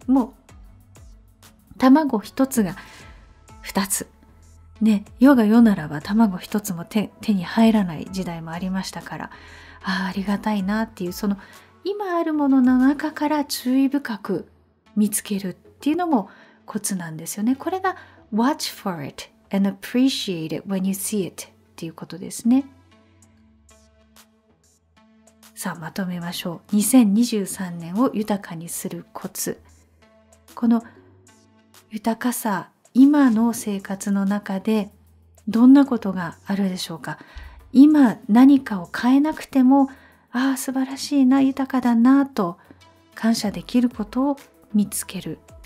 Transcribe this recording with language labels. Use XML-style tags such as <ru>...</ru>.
<ja>もう卵一つが二つね、世が世ならば卵一つも 手に入らない時代もありましたから、あ、ありがたいなっていう、その今あるものの中から注意深く見つけるっていうのもコツなんですよね。これが</ja> <en>Watch for it and appreciate it when you see it</en> <ja>っていうことですね。さあまとめましょう。 2023年を豊かにするコツ、この豊かさ、今の生活の中でどんなことがあるでしょうか。今何かを変えなくても、ああ素晴らしいな、豊かだなと感謝できることを見つける。</ja>